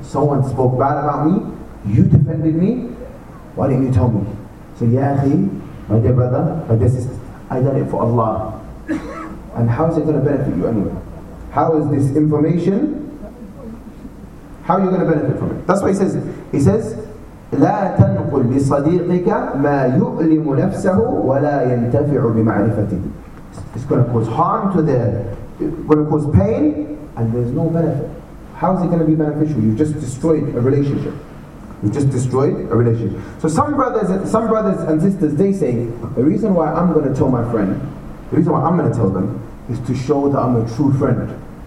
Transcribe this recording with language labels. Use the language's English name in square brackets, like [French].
[English] Someone spoke bad about me. You defended me. Why didn't you tell me? So, ya akhi, my dear brother, my dear sister, I done it for Allah. And how is it going to benefit you anyway? How is this information? How are you going to benefit from it? That's why he says, [Arabic] لا تنقل لصديقك ما يؤلم نفسه ولا ينتفع بمعرفته. [English] It's going to cause harm to the, going to cause pain, and there's no benefit. How is it going to be beneficial? You've just destroyed a relationship. You've just destroyed a relationship. So some brothers and sisters, they say, the reason why I'm going to tell my friend, the reason why I'm going to tell them, is to show that I'm a true friend.